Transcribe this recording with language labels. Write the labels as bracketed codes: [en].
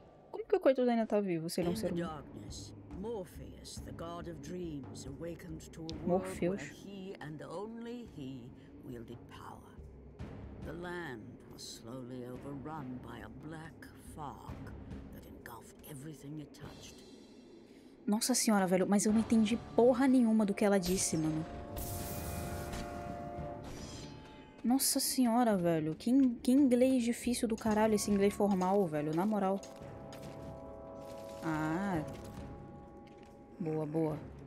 [pt] Como que o coitado ainda tá vivo se ele é um ser humano? [en] Morpheus, the god of dreams, awakened to a world where he and only he wielded power. The land was slowly overrun by a black fog that engulfed everything it touched. [pt] Nossa senhora, velho, mas eu não entendi porra nenhuma do que ela disse, mano. Nossa senhora, velho, que inglês difícil do caralho esse inglês formal, velho, na moral. Ah. Boa, boa.